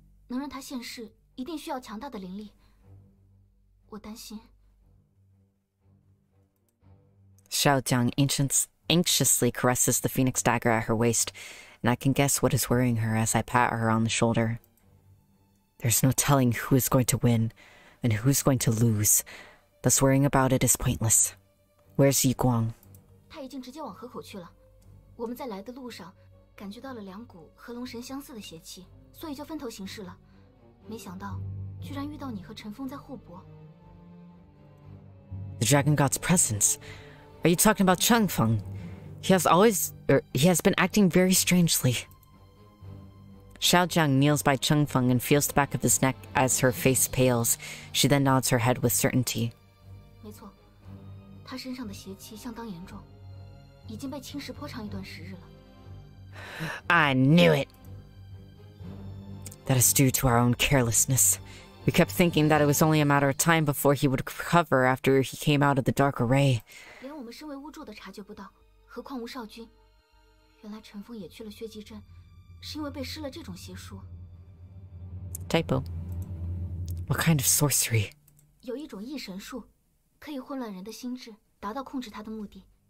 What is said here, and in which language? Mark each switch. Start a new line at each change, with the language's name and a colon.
English: Xiaojiang anxiously caresses the phoenix dagger at her waist, and I can guess what is worrying her as I pat her on the shoulder. There's no telling who is going to win and who's going to lose. Thus worrying about it is pointless. Where's Yi Guang?
Chinese: 他已经直接往河口去了。我们在来的路上,感觉到了两股和龙神相似的邪气，所以就分头行事了。没想到居然遇到你和陈峰在互搏。
English: The Dragon God's presence. Are you talking about Chen Feng? He has been acting very strangely. Xiao Zhang kneels by Cheng Feng and feels the back of his neck as her face pales. She then nods her head with certainty.
Chinese: 没错，他身上的邪气相当严重，已经被侵蚀颇长一段时日了。
English: I knew it! That is due to our own carelessness. We kept thinking that it was only a matter of time before he would recover after he came out of the dark array.
Chinese: 连我们身为巫柱的察觉不到，何况吴少君。原来陈峰也去了血迹镇，是因为被施了这种邪术。
English: Typo. What kind of sorcery?
Chinese: 有一种异神术，可以混乱人的心智，达到控制他的目的。